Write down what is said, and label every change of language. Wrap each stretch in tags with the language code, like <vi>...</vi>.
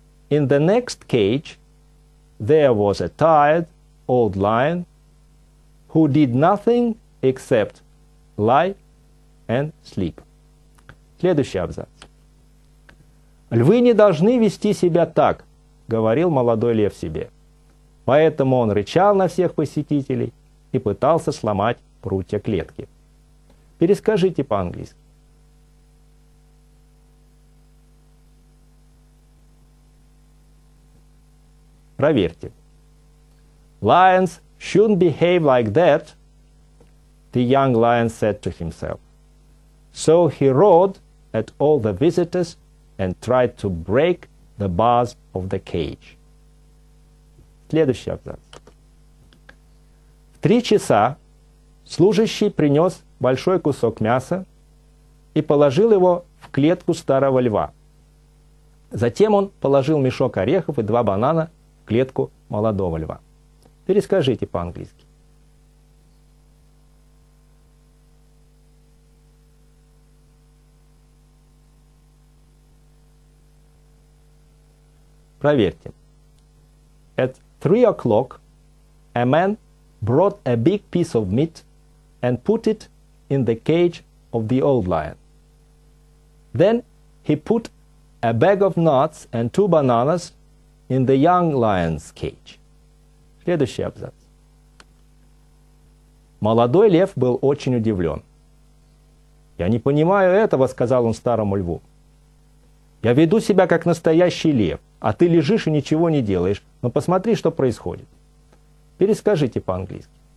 <en>In the next cage, there was a tired old lion who did nothing except lie and sleep.</en> <ru>Следующий абзац. Львы не должны вести себя так, говорил молодой лев себе. Поэтому он рычал на всех посетителей и пытался сломать прутья клетки. Перескажите по-английски. Проверьте.</ru> <en>Lions shouldn't behave like that, the young lion said to himself. So he roared at all the visitors and tried to break the bars of the cage.</en> <ru>Следующий абзац. В 3 часа служащий принес большой кусок мяса и положил его в клетку старого льва. Затем он положил мешок орехов и 2 банана в клетку молодого льва. Перескажите по-английски. Проверьте.</ru> <en>At 3 o'clock a man brought a big piece of meat and put it in the cage of the old lion. Then he put a bag of nuts and 2 bananas in the young lion's cage.</en> <ru>Следующий абзац. Молодой лев был очень удивлен. Я не понимаю этого, сказал он старому льву. Я веду себя как настоящий лев, а ты лежишь и ничего не делаешь. Но посмотри, что происходит. Перескажите по-английски.</ru>